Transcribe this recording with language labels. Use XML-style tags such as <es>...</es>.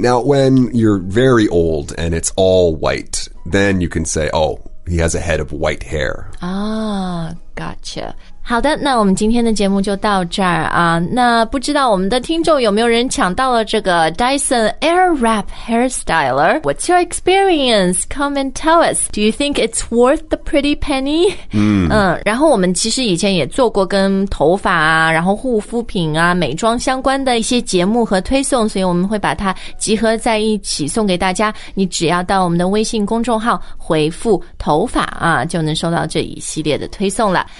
<en>Now, when you're very old and it's all white, then you can say, oh, he has a head of white hair. Gotcha.</en> <zh>好的，那我们今天的节目就到这儿啊。那不知道我们的听众有没有人抢到了这个 Dyson Airwrap Hairstyler?</zh> <en>What's your experience? Come and tell us. Do you think it's worth the pretty penny?</en> <zh>嗯，然后我们其实以前也做过跟头发啊，然后护肤品啊，美妆相关的一些节目和推送，所以我们会把它集合在一起送给大家。你只要到我们的微信公众号回复头发啊，就能收到这一系列的推送了。</zh>